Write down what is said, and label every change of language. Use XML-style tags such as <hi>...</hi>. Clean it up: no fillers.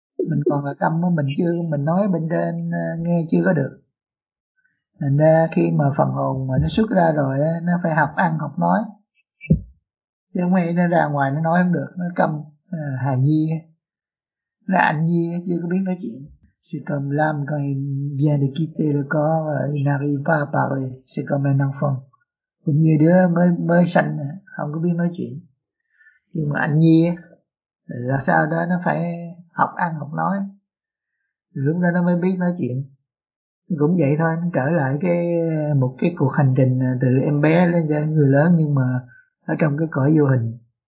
<vi>Mình còn là câm đó, mình nói bên trên nghe chưa có được. Nên khi mà phần hồn mà nó xuất ra rồi nó phải học ăn học nói, chứ không ấy nó ra ngoài nó nói không được, nó câm. Hài nhi là anh nhi chưa có biết nói chuyện.</vi> <fr>C'est comme l'âme quand il vient de quitter le corps, il n'arrive pas à parler. C'est comme un enfant.</fr> <vi>Cũng như đứa mới sanh không có biết nói chuyện. Nhưng mà anh nhi là sao đó, nó phải học ăn học nói lúc đó nó mới biết nói chuyện. Cũng vậy thôi, nó trở lại cái một cái cuộc hành trình từ em bé lên tới người lớn, nhưng mà ở trong cái cõi vô hình.</vi>